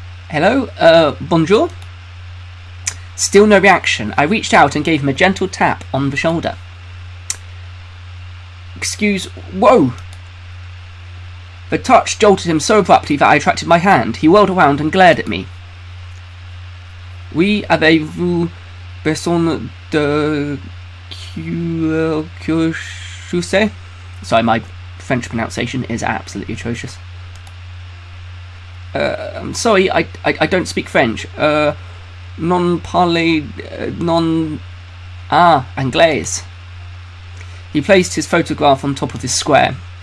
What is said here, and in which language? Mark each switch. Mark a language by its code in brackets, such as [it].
[en] Hello, bonjour. Still no reaction. I reached out and gave him a gentle tap on the shoulder. Excuse, whoa. The touch jolted him so abruptly that I attracted my hand. He whirled around and glared at me. [fr] Oui, avez-vous besoin de quelque chose? [en] Sorry, my French pronunciation is absolutely atrocious. I'm sorry, I don't speak French. [fr] Non parle, non... Ah, anglaise. [en] He placed his photograph on top of his square.